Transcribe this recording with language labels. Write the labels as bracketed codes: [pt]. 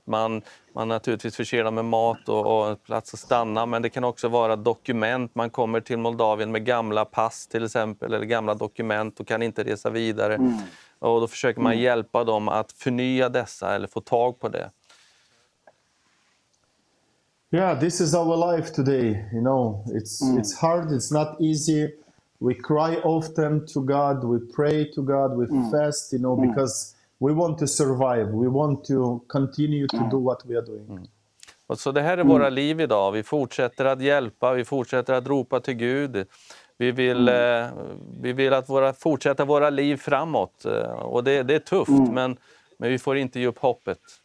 [sv] Man naturligtvis förser dem med mat och plats att stanna, men det kan också vara dokument. Man kommer till Moldavien med gamla pass till exempel, eller gamla dokument och kan inte resa vidare. Och då försöker man hjälpa dem att förnya dessa eller få tag på det. [en] Yeah, this is our life today. You know, it's hard, it's not easy. We cry often to God, we pray to God, we fast, you know, because we want to survive. We want to continue to do what we are doing. [sv] Och så det här är våra liv idag. Vi fortsätter att hjälpa, vi fortsätter att ropa till Gud. Vi vill att fortsätta våra liv framåt. Och det är tufft, men vi får inte ge upp hoppet.